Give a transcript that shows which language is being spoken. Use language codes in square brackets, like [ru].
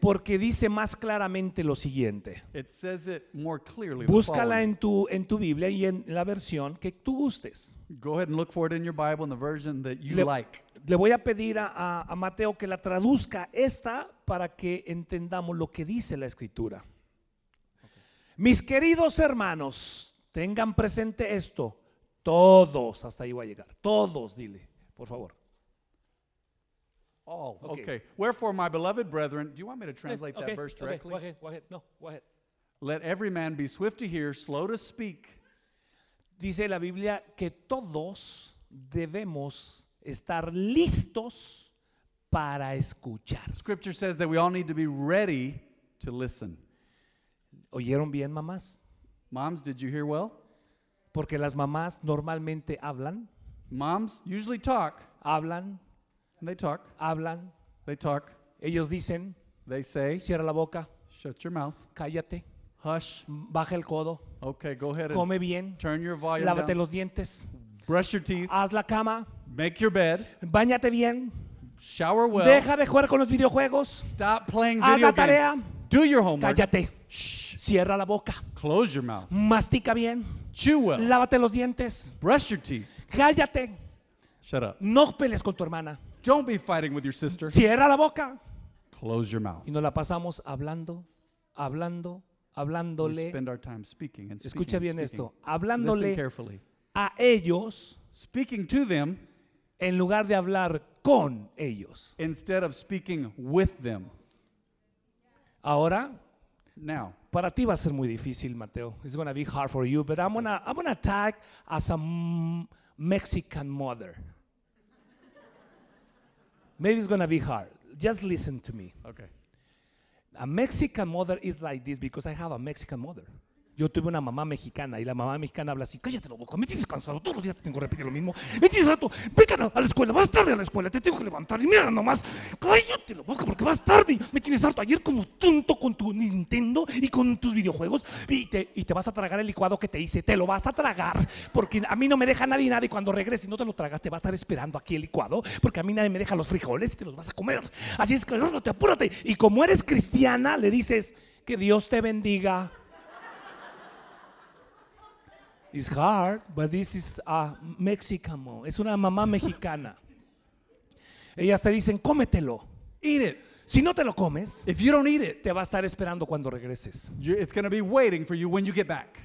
[es] Porque dice más claramente lo siguiente. [en] It says it more clearly. [es] Búscala en tu Biblia y en la versión que tú gustes. [en] Go ahead and look for it in your Bible in the version that you like. [es] Le voy a pedir a Mateo que la traduzca esta para que entendamos lo que dice la escritura. Okay. Mis queridos hermanos, tengan presente esto. Todos, hasta ahí voy a llegar. Todos, dile, por favor. [en] All. Okay. Wherefore, my beloved brethren, do you want me to translate that verse directly? Okay. Go ahead. No, go ahead. Let every man be swift to hear, slow to speak. [es] Dice la Biblia que todos debemos estar listos para escuchar. [en] Scripture says that we all need to be ready to listen. [es] ¿Oyeron bien, mamás? [en] Moms, did you hear well? [es] Porque las mamás normalmente hablan. [en] Moms usually talk. [es] Hablan. [en] And they talk. [es] Hablan. [en] They talk. [es] Ellos dicen. [en] They say. [es] Cierra la boca. [en] Shut your mouth. [es] Cállate. [en] Hush. [es] Baja el codo. [en] Okay, go ahead. [es] Come bien. [en] Turn your volume [es] lávate [en] down. [es] Lávate los dientes. [en] Brush your teeth. [es] Haz la cama. [en] Make your bed. [es] Báñate bien. [en] Shower well. [es] Deja de jugar con los videojuegos. [en] Stop playing [es] haz [en] video games. [es] Haz la tarea. [en] Do your homework. [es] Cállate. [en] Shh. [es] Cierra la boca. [en] Close your mouth. [es] Mastica bien. [en] Chew well. [es] Lávate los dientes. [en] Brush your teeth. [es] Cállate. [en] Shut up. [es] No pelees con tu hermana. [en] Don't be fighting with your sister. [es] Cierra la boca. [en] Close your mouth. [es] Y nos la pasamos hablando, hablando, hablándole. [en] We spend our time speaking and speaking. [es] Escucha bien [en] and speaking. [es] Esto. Hablándole. [en] Listen carefully. [es] A ellos. [en] Speaking to them. [es] En lugar de hablar con ellos. [en] Instead of speaking with them. [es] Ahora. [en] Now. [es] Para ti va a ser muy difícil, Mateo. [en] It's going to be hard for you, but I'm gonna tag as a Mexican mother. Maybe it's going to be hard. Just listen to me. Okay. A Mexican mother is like this because I have a Mexican mother. [es] Yo tuve una mamá mexicana y la mamá mexicana habla así: cállate la boca, me tienes cansado, todos los días te tengo que repetir lo mismo. Me tienes cansado, vete a la escuela, vas tarde a la escuela, te tengo que levantar y mira nomás, cállate la boca porque vas tarde. Me tienes harto ayer como tonto con tu Nintendo y con tus videojuegos y te vas a tragar el licuado que te hice, te lo vas a tragar porque a mí no me deja nadie nada y cuando regrese y no te lo tragas te va a estar esperando aquí el licuado porque a mí nadie me deja los frijoles y te los vas a comer. Así es que agárrate, apúrate. Y como eres cristiana, le dices que Dios te bendiga. [en] It's hard, but this is a Mexicano. [es] Es una mamá mexicana. Ellas te dicen, cómetelo. [en] Eat it. [es] Si no te lo comes, [en] if you don't eat it, [es] te va a estar esperando cuando regreses. [en] It's going to be waiting for you when you get back.